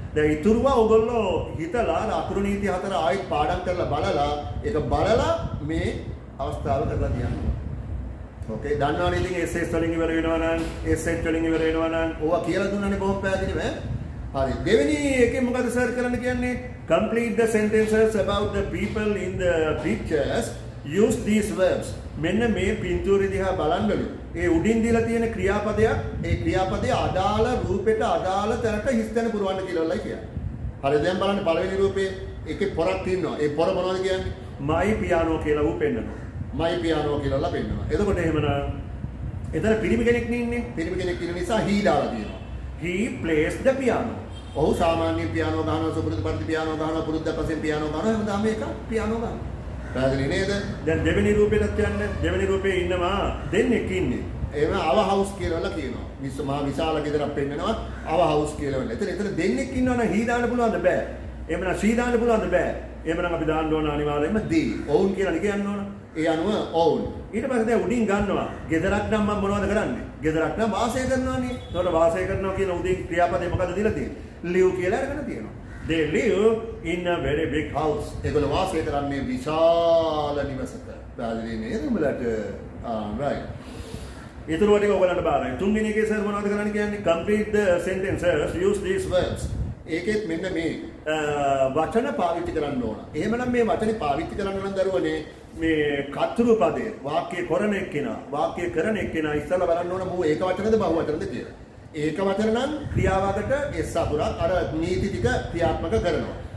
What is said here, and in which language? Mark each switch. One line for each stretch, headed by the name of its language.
Sinhala: දැන් ඉතුරුව ඔයගොල්ලෝ හිතලා අකුරු නීති හතර ආයෙත් පාඩම් කරලා බලලා ඒක බලලා මේ අවස්ථාව කරලා තියන්න ඕකේ දන්නවනේ ඉතින් SS වලින් ඉවර වෙනවා නම් SS වලින් ඉවර වෙනවා නම් ඕවා කියලා දුන්නනේ බොහොම පැහැදිලිව හරි දෙවෙනි එකේ මොකද සර් කරන්න කියන්නේ
English: complete the sentences about the people in the pictures use these verbs
Sinhala: මෙන්න මේ පින්තූරය දිහා බලන්නලු ඒ උඩින් දීලා තියෙන ක්‍රියාපදයක් ඒ ක්‍රියාපදයේ අදාළ රූපෙට අදාළ තැනට හිස්තැන පුරවන්න කියලා වලයි කියන්නේ හරි දැන් බලන්න පළවෙනි රූපේ එකේ පොරක් තියෙනවා ඒ පොර මොනවද කියන්නේ
English: my piano
Sinhala: කියලා ඌ පෙන්නවා
English: my piano
Sinhala: කියලා ලබෙන්නවා එතකොට එහෙමනම් එතන පිරිමි කෙනෙක් ඉන්නේ පිරිමි කෙනෙක් ඉන්න නිසා හී දාලා තියෙනවා
English: He plays the piano.
Sinhala: ඔහු සාමාන්‍ය පියානෝ ගහනවා සුපුරුදු පරිදි පියානෝ ගහනවා පුරුද්දක් වශයෙන් පියානෝ ගහනවා හැමදාම එක පියානෝ ගහනවා. පැහැදිලි නේද? දැන් දෙවෙනි රූපෙටත් යන්න. දෙවෙනි රූපේ ඉන්නවා දෙන්නෙක් ඉන්නේ. එහෙම අව හවුස් කියලා කියනවා. මිස් මහ විශාල ගෙදරක් පෙන්වනවා අව හවුස් කියලා. එතන දෙන්නෙක් ඉන්නවනම් හී දාන්න පුළුවන්ද බෑ. එහෙමනම් ශී දාන්න පුළුවන්ද බෑ. එහෙමනම් අපි දාන්න ඕන අනිවාර්යයෙන්ම දී. ඔවුන් කියලා ලියන්න ඕන. ඒ අනුව ඔවුන්. ඊට පස්සේ දැන් උඩින් ගන්නවා. ගෙදරක් නම් මම මොනවද කරන්නේ? ගෙදරක් නම් වාසය කරනවානේ. එතකොට වාසය කරනවා කියන උදේ ක්‍රියාපදේ මොකද දීලා තියෙන්නේ? live කියලා අරගෙන තියෙනවා.
English: They live in a very big house.
Sinhala: ඒගොල්ලෝ වාසය කරන්නේ විශාල නිවසක. බාදලේ නේද උඹලට? right. ඊතුරු වටේ ඔයගලන්ට බාරයි. තුන්වෙනි එකේ සර් මොනවද කරන්න කියන්නේ?
English: complete the sentences use these verbs.
Sinhala: ඒකෙත් මෙන්න මේ වචන පාවිච්චි කරන්න ඕන. එහෙමනම් මේ වචනේ පාවිච්චි කරන්න නම් දරුවනේ මේ කතෘපදේ වාක්‍ය කරන එක්කෙනා වාක්‍ය කරන එක්කෙනා ඉස්සලා බලන්න ඕන මොකෝ ඒක වචනද බහු වචනද කියලා. ඒක වචන නම් ක්‍රියාවකට s අකුරක් අර නීති ටික ක්‍රියාත්මක කරනවා.